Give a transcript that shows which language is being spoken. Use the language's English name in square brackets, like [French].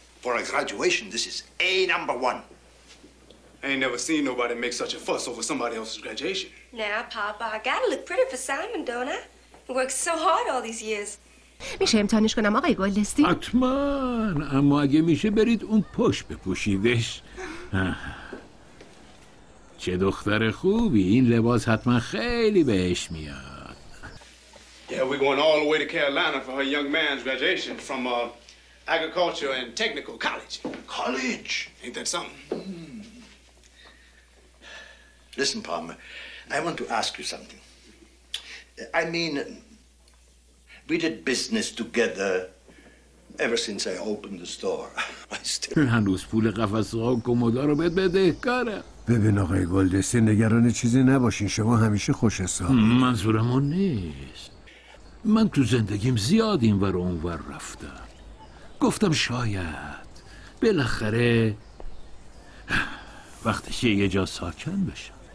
[English] For a graduation, this is A number one. I ain't never seen nobody make such a fuss over somebody else's graduation. Now, Papa, I gotta look pretty for Simon, don't I? He worked so hard all these years. [Persian] میشه امتحانش کنم آقای گلستی؟ حتما، اما اگه میشه برید اون پشت بپوشیدش. چه دختر خوبی، این لباس حتما خیلی بهش میاد. [English] Yeah, we're going all the way to Carolina for her young man's graduation from agriculture and technical college. College? Ain't that something? Listen, Palmer, I want to ask you something. I mean... We did business together ever since I opened the store. I still... [Persian] هنوز پول قفسه ها و کمدها رو بهت بدهکارم. ببین آقای گلدستی، نگران چیزی نباشین، شما همیشه خوش حساب. منظورم اون نیست. من تو زندگیم زیاد این ور اون ور رفتم. گفتم شاید بالاخره وقتشه یه جا ساکن بشم.